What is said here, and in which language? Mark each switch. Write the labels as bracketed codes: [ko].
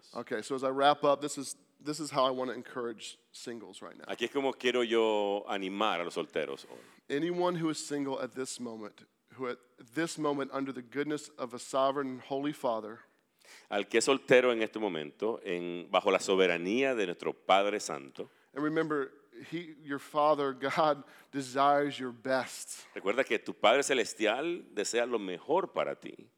[en] Okay, so as I wrap up, this is how I want to encourage singles right now. [es] Aquí es como quiero yo animar a los solteros hoy. [en] Anyone who is single at this moment, who at this moment under the goodness of a sovereign and holy Father, [es] al que es soltero en este momento, bajo la soberanía de nuestro Padre Santo. [en] And remember, your Father God desires your best. [es] Recuerda que tu Padre celestial desea lo mejor para ti.